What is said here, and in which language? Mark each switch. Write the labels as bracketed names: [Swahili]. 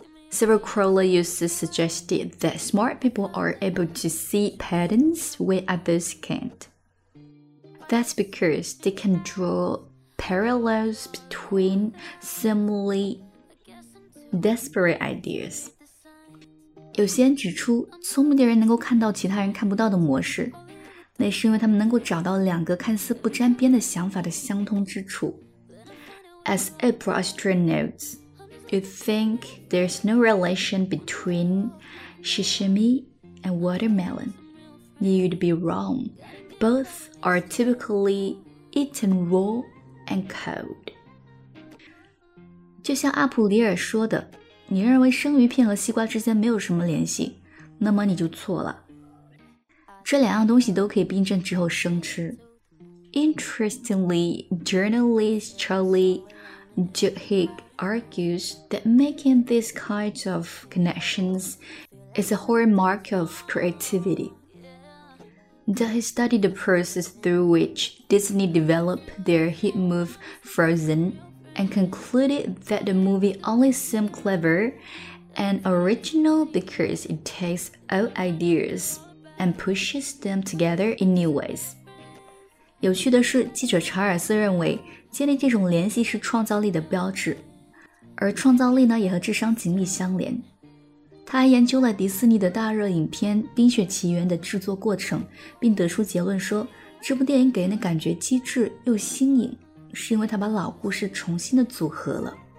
[English] Several Crowley used to suggest that smart people are able to see patterns where others can't. That's because they can draw parallels between similarly disparate ideas. [Chinese] 有些人指出，聪明的人能够看到其他人看不到的模式，那是因为他们能够找到两个看似不沾边的想法的相通之处。 [English] As April Austin notes,You think there's no relation between shishimi and watermelon? You'd be wrong. Both are typically eaten raw and cold. [Chinese] 就像阿普里尔说的，你认为生鱼片和西瓜之间没有什么联系，那么你就错了。这两样东西都可以冰镇之后生吃。 [English] Interestingly, journalist Charlie Duhigg argues that making these kinds of connections is a hallmark of creativity. That he studied the process through which Disney developed their hit movie Frozen and concluded that the movie only seemed clever and original because it takes old ideas and pushes them together in new ways. [Chinese] 有趣的是，记者查尔斯认为，建立这种联系是创造力的标志，而创造力呢，也和智商紧密相连。他还研究了迪士尼的大热影片《冰雪奇缘》的制作过程，并得出结论说，这部电影给人的感觉机智又新颖，是因为他把老故事重新的组合了。